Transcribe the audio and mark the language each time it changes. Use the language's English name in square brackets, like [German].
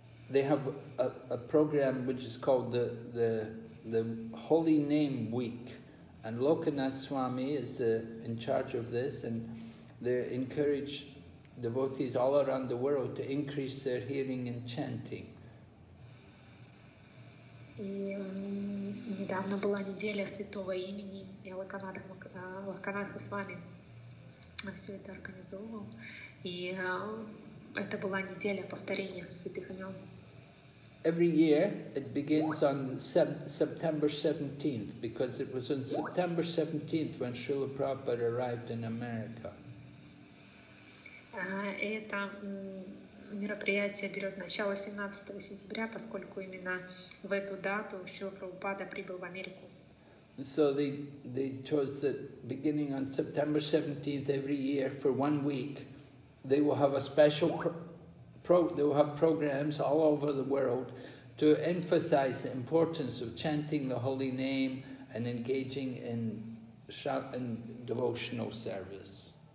[English] They have a program which is called the Holy Name Week, and Lokanath Swami is in charge of this, and they encourage devotees all around the world to increase their hearing and chanting. [Russian] И недавно была неделя святого имени, и Локанатха Свами все это организовывал. И это была неделя повторения святых имен. [English] Every year it begins on September 17th, because it was on September 17th when Srila Prabhupada arrived in America. [Russian] Это мероприятие берет начало 17 сентября, поскольку именно в эту дату Шрила Прабхупада прибыл в Америку. [English] So they chose that beginning on September 17th every year for 1 week, they will have a special they will have programs all over the world to emphasize the importance of chanting the holy name and engaging in devotional service.